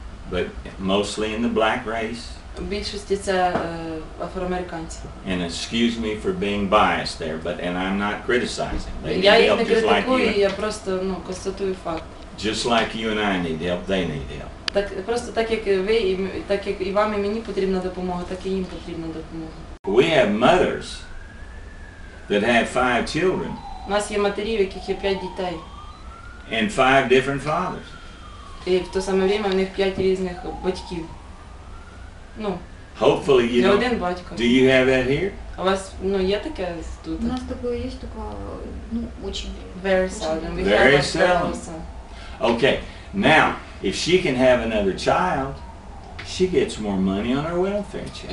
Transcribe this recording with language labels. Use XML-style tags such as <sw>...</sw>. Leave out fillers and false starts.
<en>But mostly in the black race.</en> <uk>В більшості це афроамериканці.</uk> <en>And excuse me for being biased there, but and I'm not criticizing.</en> <uk>Я їх не критикую, я просто, ну, констатую факт.</uk> <en>Just like you and I need help, they need help.</en> <uk>Так просто так як ви так як і вам і мені потрібна допомога, так і їм потрібна допомога.</uk> <en>We have mothers that have 5 children.</en> <uk>У нас є матері, в яких є 5 дітей.</uk> <en>And 5 different fathers.</en> <uk>І в то саме время в них 5 різних батьків. Ну.</uk> <en>Hopefully you know.</en> <uk>Один батько.</uk> <en>Do you have that here?</en> <uk>У вас, ну, є таке тут. У нас такого є, така, ну, дуже</uk> <en>very seldom. Very seldom. Okay. Now, if she can have another child, she gets more money on her welfare check.</en>